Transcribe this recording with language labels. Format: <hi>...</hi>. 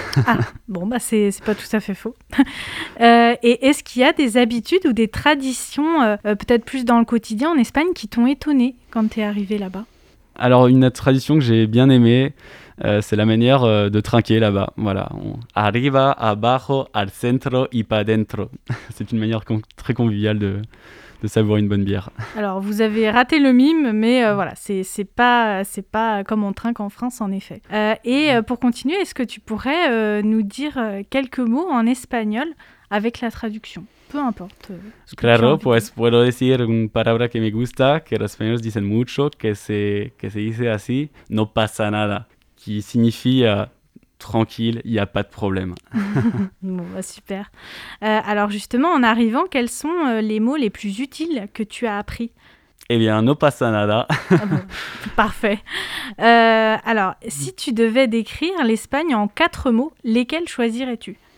<fr>Ah, bon, c'est pas tout à fait faux. Et est-ce qu'il y a des habitudes ou des traditions, peut-être plus dans le quotidien en Espagne, qui t'ont étonné quand t'es arrivé là-bas? Alors, une tradition que j'ai bien aimée, c'est la manière de trinquer là-bas. Voilà.</fr> <es>Arriba, abajo, al centro y pa dentro.</es> <fr>C'est une manière très conviviale de savourer une bonne bière. Alors, vous avez raté le mime, mais voilà, c'est pas comme on trinque en France, en effet. Pour continuer, est-ce que tu pourrais nous dire quelques mots en espagnol avec la traduction? Peu importe.</fr> <es>Claro, pues puedo decir una palabra que me gusta, que los españoles dicen mucho, que se dice así, no pasa nada.</es> <fr>Qui signifie tranquille, il n'y a pas de problème. Bon, bah super. Alors justement, en arrivant, quels sont les mots les plus utiles que tu as appris? Eh bien,</fr> <es>no pasa nada.</es> <fr>Ah bon, parfait. Alors, si tu devais décrire l'Espagne en 4 mots, lesquels choisirais-tu?</fr>